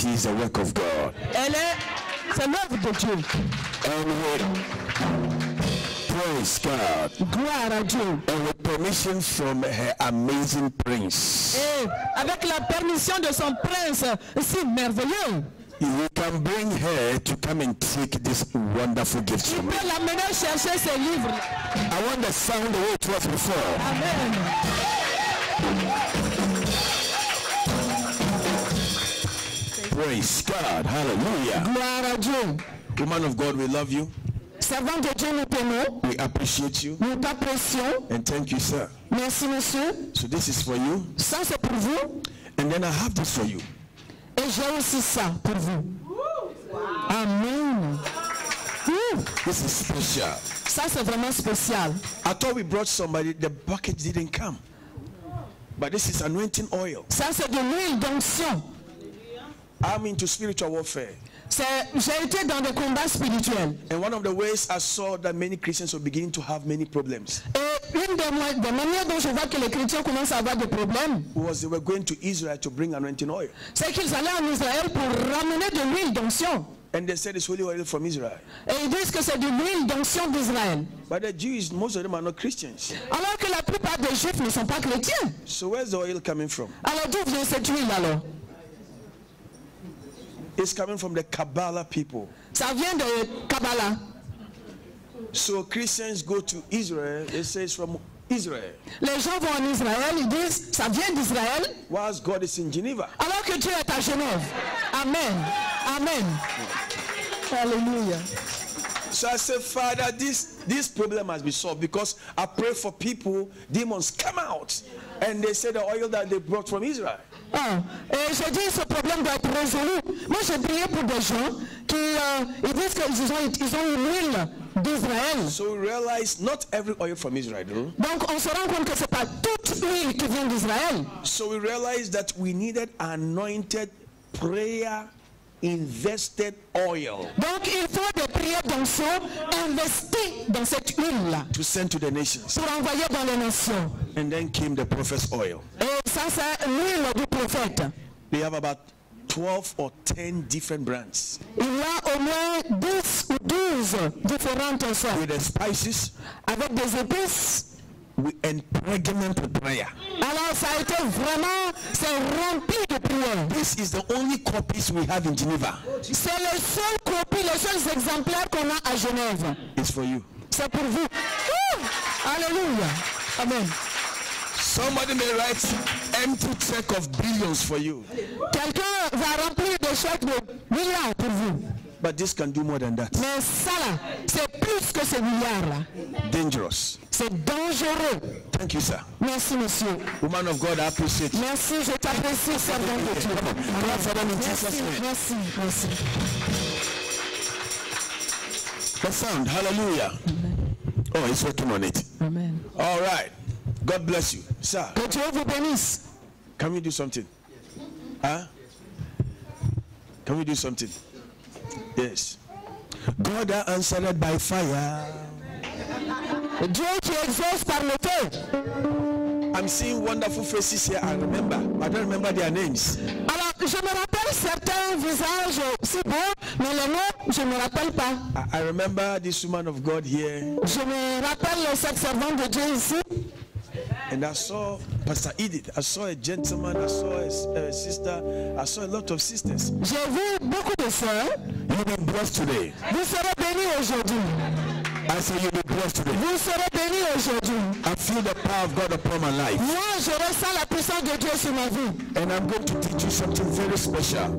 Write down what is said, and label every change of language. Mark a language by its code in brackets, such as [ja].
[en] She is a work of God. [fr] Elle est, c'est l'œuvre de Dieu. [en] Amen. Praise God. [fr] Gloire à Dieu. [en] And with permission from her amazing prince. [fr] Et avec la permission de son prince si merveilleux. [en] You can bring her to come and take this wonderful gift from me. [fr] Il peut l'amener chercher ce livre. [en] I want the sound the way it was before. Amen. Praise God. Hallelujah. [fr] Gloire à Dieu. [en] Woman of God, we love you. [fr] Servant de Dieu, nous t'aimons. [en] We appreciate you. [fr] Nous t'apprécions. [en] And thank you, sir. [fr] Merci, monsieur. [en] So this is for you. [fr] Ça, c'est pour vous. [en] And then I have this for you. [fr] Et j'ai aussi ça pour vous. Amen. [en] This is special. [fr] Ça c'est vraiment spécial. [en] I thought we brought somebody. The package didn't come. But this is anointing oil. [fr] Ça c'est de l'huile d'onction. [en] I'm into spiritual warfare. [fr] J'ai été dans des combats spirituels. [en] And one of the ways I saw that many Christians were beginning to have many problems. [fr] Une des manières dont je vois que les chrétiens commencent à avoir des problèmes, [en] was they were going to Israel to bring anointing oil. [fr] C'est qu'ils allaient en Israël pour ramener de l'huile d'onction. [en] And they said it's holy oil from Israel. [fr] Et ils disent que c'est de l'huile d'onction d'Israël. [en] But the Jews, most of them are not Christians. [fr] Alors que la plupart des Juifs ne sont pas chrétiens. [en] So where's the oil coming from? [fr] Alors d'où vient cette huile alors? [en] It's coming from the Kabbalah people. [fr] Ça vient de Kabbalah. [en] So Christians go to Israel, they say it's from Israel. [fr] Les gens vont en Israël, ils disent ça vient d'Israël. [en] Whilst God is in Geneva. [fr] Alors que Dieu est à Genève. Amen. Amen. Hallelujah. [en] So I said, Father, this problem must be solved because I pray for people, demons come out. And they say the oil that they brought from Israel. [fr] Ah, et je dis ce problème doit être résolu. Moi j'ai prié pour des gens qui ils disent qu'ils ont une huile d'Israël. [en] So realize not every oil from Israel. [fr] Donc on se rend compte que c'est pas toute huile qui vient d'Israël. [en] So we realize that we needed anointed prayer invested oil. [fr] Donc il faut des prières d'onction investies dans cette huile là. [en] To send to the nations. [fr] Pour envoyer dans les nations. [en] And then came the prophet's oil. [fr] Ça, c'est l'huile du prophète. [en] They have about 12 or 10 different brands. [fr] Il y a au moins 10 ou 12 différentes sortes. [en] With the spices. [fr] Avec des épices. [en] With and pregnant with prayer. [fr] Alors ça a été vraiment, c'est rempli de prière. [en] This is the only copies we have in Geneva. [fr] C'est le seul copie, les seuls exemplaires qu'on a à Genève. [en] It's for you. [fr] C'est pour vous. Alléluia. Amen. [en] Somebody may write empty check of billions for you. [fr] Quelqu'un va remplir des chèques de milliards pour vous. [en] But this can do more than that. [fr] Mais ça là, c'est plus que ces milliards là. [en] Dangerous. [fr] C'est dangereux. [en] Thank you, sir. [fr] Merci, monsieur. [en] Woman of God, I appreciate you. [fr] Merci, je t'apprécie, servant de Dieu. Merci. [en] The sound, hallelujah. Amen. Oh, it's working on it. Amen. All right. God bless you, sir. [fr] Que Dieu vous bénisse. [en] Can we do something? Huh? Can we do something? Yes. God answered by fire. [fr] Dieu qui exauce par le feu. [en] I'm seeing wonderful faces here. I remember. I don't remember their names. [fr] Alors, je me rappelle certains visages, C'est bon, mais le nom, je me rappelle pas. [en] I remember this woman of God here. [fr] Je me rappelle cette servante de Dieu ici. [en] And I saw Pastor Edith. I saw a gentleman. I saw a sister. I saw a lot of sisters. [fr] J'ai vu beaucoup de sœurs. [en] You will be blessed today. [fr] Vous serez béni aujourd'hui. [en] I say you will be blessed today. [fr] Vous serez béni aujourd'hui. [en] I feel the power of God upon my life. [fr] Moi, je ressens la puissance de Dieu sur ma vie. [en] And I'm going to teach you something very special.